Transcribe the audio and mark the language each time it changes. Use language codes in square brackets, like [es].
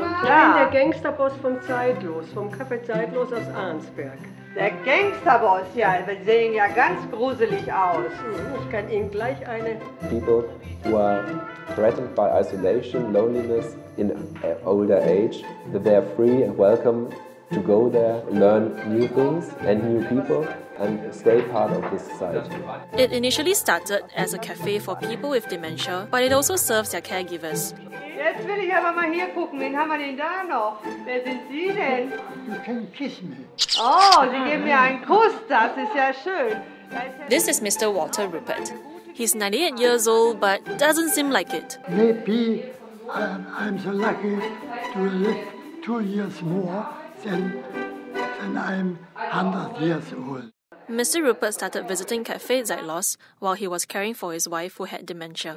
[de] Nein, der Gangsterboss vom Zeitlos, vom Café Zeitlos aus Arnsberg. Der Gangsterboss, ja, die sehen ja ganz gruselig aus. Ich kann Ihnen gleich eine... [en] People who are threatened by isolation, loneliness in older age, that they are free and welcome to go there, learn new things and new people, and stay part of this society. It initially started as a cafe for people with dementia, but it also serves their caregivers. [de] Jetzt will ich aber mal hier gucken, wen haben wir denn da noch? Wer sind Sie denn? [en] You can kiss me. [de] Oh, Sie geben mir einen Kuss, das ist ja schön. [en] This is Mr. Walter Rupert. He's 98 years old, but doesn't seem like it. Maybe I'm so lucky to live 2 years more than I'm 100 years old. Mr. Rupert started visiting Café Zeitlos while he was caring for his wife who had dementia.